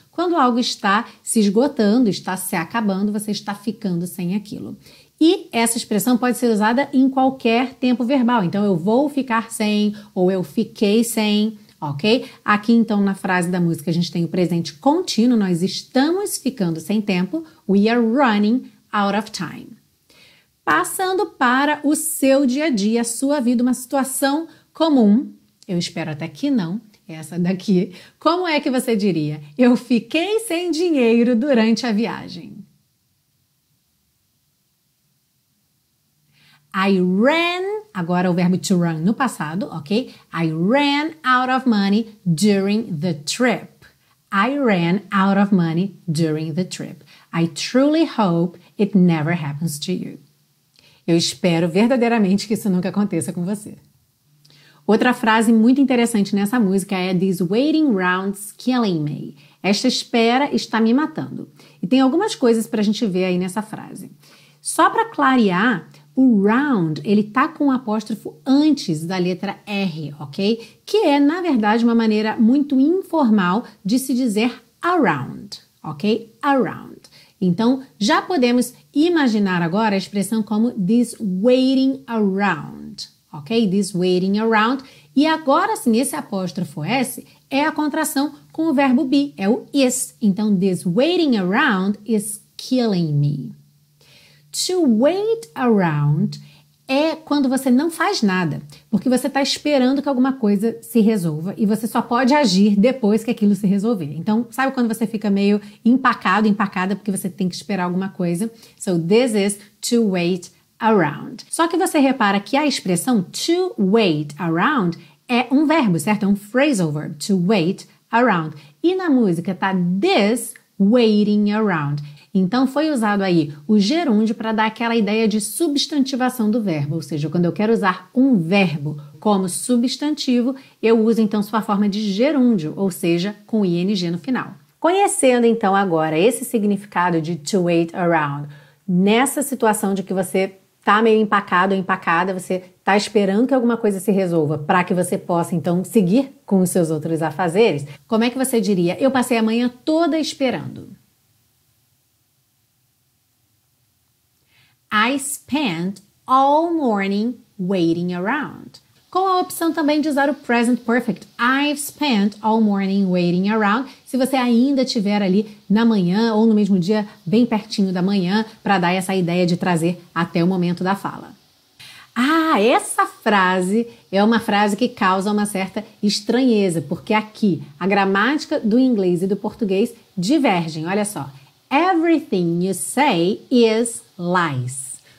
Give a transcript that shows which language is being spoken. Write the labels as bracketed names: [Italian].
[Portuguese] Quando algo está se esgotando, está se acabando, você está ficando sem aquilo. E essa expressão pode ser usada em qualquer tempo verbal. Então, eu vou ficar sem, ou eu fiquei sem, ok? Aqui, então, na frase da música, a gente tem o presente contínuo. Nós estamos ficando sem tempo. [English] We are running out of time. [Portuguese] Passando para o seu dia a dia, a sua vida, uma situação comum. Eu espero até que não, essa daqui. Como é que você diria? Eu fiquei sem dinheiro durante a viagem. [English] I ran, [Portuguese] agora o verbo to run no passado, ok? [English] I ran out of money during the trip. I ran out of money during the trip. I truly hope it never happens to you. [Portuguese] Eu espero verdadeiramente que isso nunca aconteça com você. Outra frase muito interessante nessa música é [English] "This waiting round's killing me." [Portuguese] Esta espera está me matando. E tem algumas coisas para a gente ver aí nessa frase. Só para clarear, o round, ele tá com um apóstrofo antes da letra R, ok? Que é, na verdade, uma maneira muito informal de se dizer around, ok? Around. Então, já podemos imaginar agora a expressão como [English] "this waiting around", [Portuguese] ok? [English] This waiting around. [Portuguese] E agora sim, esse apóstrofo S é a contração com o verbo be, é o is. Então, [English] this waiting around is killing me. [Portuguese] To wait around é quando você não faz nada, porque você está esperando que alguma coisa se resolva e você só pode agir depois que aquilo se resolver. Então, sabe quando você fica meio empacado, empacada, porque você tem que esperar alguma coisa? [English] So, this is to wait around. [Portuguese] Só que você repara que a expressão to wait around é um verbo, certo? É um phrasal verb, to wait around. E na música está [English] this waiting around. [Portuguese] Então, foi usado aí o gerúndio para dar aquela ideia de substantivação do verbo. Ou seja, quando eu quero usar um verbo como substantivo, eu uso, então, sua forma de gerúndio, ou seja, com ing no final. Conhecendo, então, agora esse significado de to wait around, nessa situação de que você está meio empacado ou empacada, você está esperando que alguma coisa se resolva para que você possa, então, seguir com os seus outros afazeres, como é que você diria, eu passei a manhã toda esperando? [English] I spent all morning waiting around. [Portuguese] Com a opção também de usar o present perfect. [English] I've spent all morning waiting around. [Portuguese] Se você ainda estiver ali na manhã ou no mesmo dia, bem pertinho da manhã, para dar essa ideia de trazer até o momento da fala. Ah, essa frase é uma frase que causa uma certa estranheza, porque aqui a gramática do inglês e do português divergem. Olha só. [English] Everything you say is lies.